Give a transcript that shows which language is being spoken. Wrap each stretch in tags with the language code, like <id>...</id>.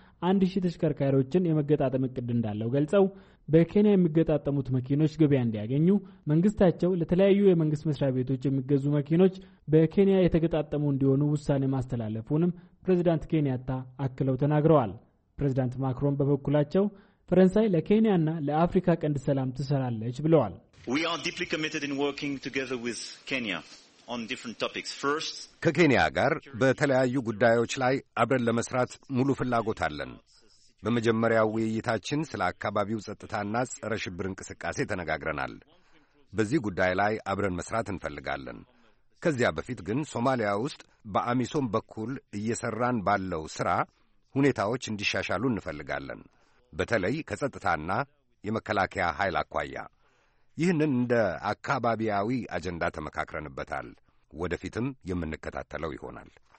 <am>1000 ተሽከርካሪዎችን የመገጣጠም እቅድ እንዳለው ገልጸው በኬንያ የሚገጣጠሙት መኪኖች ገበያ እንዲያገኙ መንግስታቸው ለተለያዩ የመንግስት መስሪያ ቤቶች የሚገዙ መኪኖች በኬንያ የተገጣጠሙ እንዲሆኑ ውሳኔ ማስተላለፉንም ፕሬዚዳንት ኬንያታ አክለው ተናግረዋል። ፕሬዚዳንት ማክሮን በበኩላቸው ፈረንሳይ ለኬንያና ለአፍሪካ ቀንድ ሰላም ትሰራለች ብለዋል።</am> <en>We are deeply committed in working together with Kenya on different topics. First,</en> <am>ከኬንያ ጋር በተለያዩ ጉዳዮች ላይ አብረን ለመስራት ሙሉ ፍላጎት አለን። በመጀመሪያው ውይይታችን ስለ አካባቢው ጸጥታና ጸረ ሽብር እንቅስቃሴ ተነጋግረናል። በዚህ ጉዳይ ላይ አብረን መስራት እንፈልጋለን። ከዚያ በፊት ግን ሶማሊያ ውስጥ በአሚሶም በኩል እየሰራን ባለው ሥራ ሁኔታዎች እንዲሻሻሉ እንፈልጋለን፣ በተለይ ከጸጥታና የመከላከያ ኃይል አኳያ። ይህንን እንደ አካባቢያዊ አጀንዳ ተመካክረንበታል። ወደፊትም የምንከታተለው ይሆናል።</am>